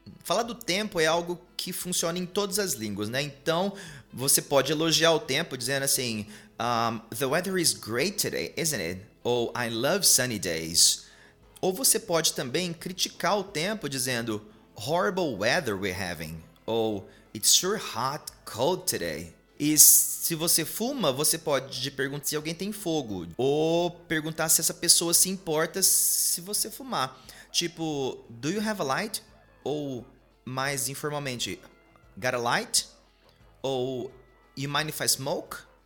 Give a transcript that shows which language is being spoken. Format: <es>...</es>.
<pt>Falar do tempo é algo que funciona em todas as línguas, né? Então, você pode elogiar o tempo dizendo assim,</pt> <en>the weather is great today, isn't it?</en> <pt>Ou,</pt> <en>I love sunny days.</en> <pt>Ou você pode também criticar o tempo dizendo,</pt> <en>horrible weather we're having. Ou, it's sure hot, cold today.</en> <pt>E se você fuma, você pode perguntar se alguém tem fogo. Ou perguntar se essa pessoa se importa se você fumar.</pt> <en>Tipo, do you have a light?</en> <pt>Ou, mais informalmente,</pt> <en>got a light? Ou, you mind if I smoke?</en>